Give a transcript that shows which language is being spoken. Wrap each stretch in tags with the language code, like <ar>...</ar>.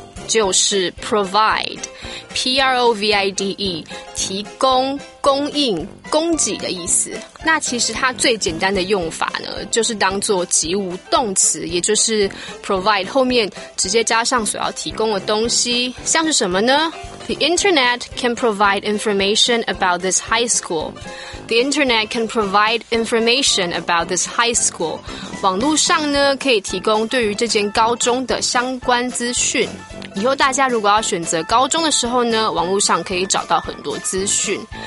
<zh>就是 provide, P-R-O-V-I-D-E, 提供、供应、供给的意思。那其实它最简单的用法呢，就是当作及物动词，也就是 provide 后面直接加上所要提供的东西。像是什么呢？</zh> <en>The internet can provide information about this high school. The internet can provide information about this high school.</en> <zh>网络上呢，可以提供对于这间高中的相关资讯。以后大家如果要选择高中的时候呢，网络上可以找到很多资讯。</zh>